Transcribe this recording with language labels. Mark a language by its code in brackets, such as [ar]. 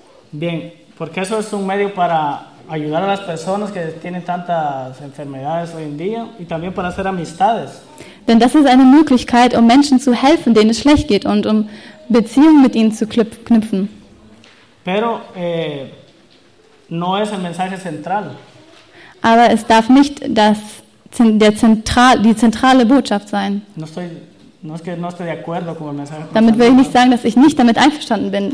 [es] Bien, porque eso es un medio para ayudar a las personas que tienen tantas enfermedades hoy en día y también para hacer amistades. [de] Denn das ist eine Möglichkeit, um Menschen zu helfen, denen es schlecht geht und um Beziehungen mit ihnen zu knüpfen. [es] Pero no es el mensaje central. [de] Aber es darf nicht die zentrale Botschaft sein. [es] No estoy de acuerdo con el mensaje. [de] Damit will ich nicht sagen, dass ich nicht damit einverstanden bin.